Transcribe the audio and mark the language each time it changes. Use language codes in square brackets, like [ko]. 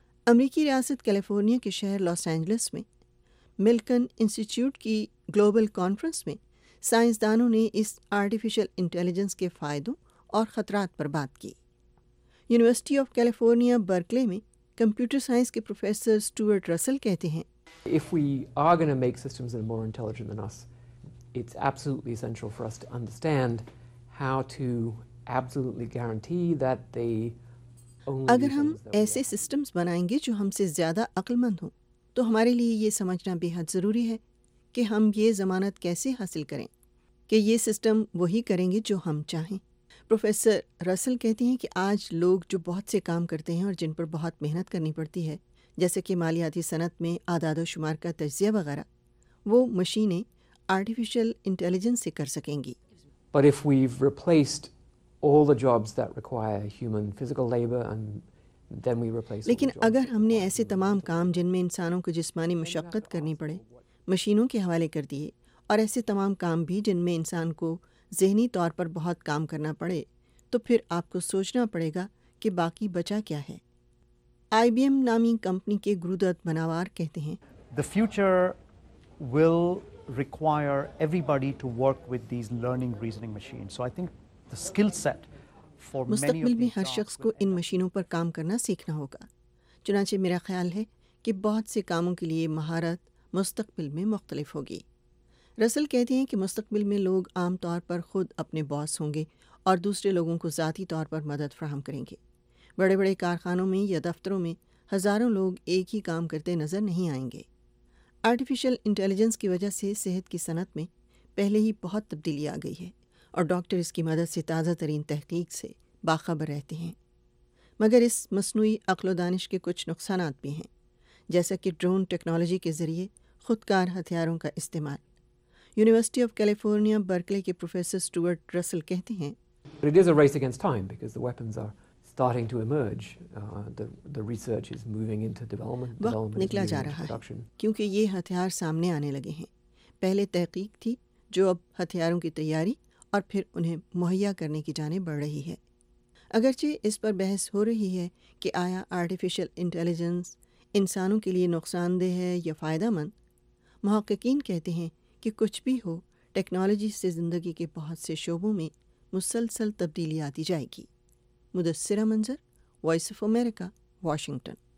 [ur] امریکی ریاست کیلیفورنیا کے شہر لاس اینجلس میں ملکن انسٹیٹیوٹ کی گلوبل کانفرنس میں سائنسدانوں نے اس آرٹیفیشل انٹیلیجنس کے فائدوں اور خطرات پر بات کی۔ یونیورسٹی آف کیلیفورنیا برکلے میں کمپیوٹر سائنس کے پروفیسر سٹیورٹ رسل کہتے ہیں، [en] If we are going to make systems that are more intelligent than us, it's absolutely essential for us to understand how to absolutely guarantee that they only [ur] اگر ہم ایسے systems بنائیں گے جو ہم سے زیادہ عقل مند ہوں، تو ہمارے لیے یہ سمجھنا بے حد ضروری ہے کہ ہم یہ ضمانت کیسے حاصل کریں کہ یہ سسٹم وہی کریں گے جو ہم چاہیں۔ پروفیسر رسل کہتے ہیں کہ آج لوگ جو بہت سے کام کرتے ہیں اور جن پر بہت محنت کرنی پڑتی ہے، جیسے کہ مالیاتی صنعت میں اعداد و شمار کا تجزیہ وغیرہ، وہ مشینیں آرٹیفیشل انٹیلیجنس سے کر سکیں گی۔ [en] But if we've replaced all the jobs that require human physical labor and then we replace [ur] لیکن اگر ہم نے ایسے تمام کام جن میں انسانوں کو جسمانی مشقت کرنی پڑے مشینوں کے حوالے کر دیے، اور ایسے تمام کام بھی جن میں انسان کو ذہنی طور پر بہت کام کرنا پڑے، تو پھر آپ کو سوچنا پڑے گا کہ باقی بچا کیا ہے۔ آئی بی ایم نامی کمپنی کے گرودت بناوار کہتے ہیں، [en] The future will require everybody to work with these learning reasoning machines. So I think the skill set for many of these [ur] مستقبل میں ہر شخص کو ان مشینوں پر کام کرنا سیکھنا ہوگا۔ چنانچہ میرا خیال ہے کہ بہت سے کاموں کے لیے مہارت مستقبل میں مختلف ہوگی۔ رسل کہتے ہیں کہ مستقبل میں لوگ عام طور پر خود اپنے باس ہوں گے اور دوسرے لوگوں کو ذاتی طور پر مدد فراہم کریں گے۔ بڑے بڑے کارخانوں میں یا دفتروں میں ہزاروں لوگ ایک ہی کام کرتے نظر نہیں آئیں گے۔ آرٹیفیشل انٹیلیجنس کی وجہ سے صحت کی صنعت میں پہلے ہی بہت تبدیلی آ گئی ہے، اور ڈاکٹر اس کی مدد سے تازہ ترین تحقیق سے باخبر رہتے ہیں۔ مگر اس مصنوعی عقل و دانش کے کچھ نقصانات بھی ہیں، جیسا کہ ڈرون ٹیکنالوجی کے ذریعے خودکار ہتھیاروں کا استعمال۔ یونیورسٹی آف کیلیفورنیا برکلے کے پروفیسر سٹیورٹ رسل کہتے ہیں، [en] But it is a race against time because the weapons are starting to emerge. The research is moving into development. [ur] وقت نکلا جا رہا ہے کیونکہ یہ ہتھیار سامنے آنے لگے ہیں۔ پہلے تحقیق تھی جو اب ہتھیاروں کی تیاری اور پھر انہیں مہیا کرنے کی جانب بڑھ رہی ہے۔ اگرچہ اس پر بحث ہو رہی ہے کہ آیا آرٹیفیشل انٹیلیجنس انسانوں کے لیے نقصان دہ ہے یا فائدہ مند، محققین کہتے ہیں کہ کچھ بھی ہو، ٹیکنالوجی سے زندگی کے بہت سے شعبوں میں مسلسل تبدیلی آتی جائے گی۔ مدثرہ منظر، وائس آف امریکہ، واشنگٹن۔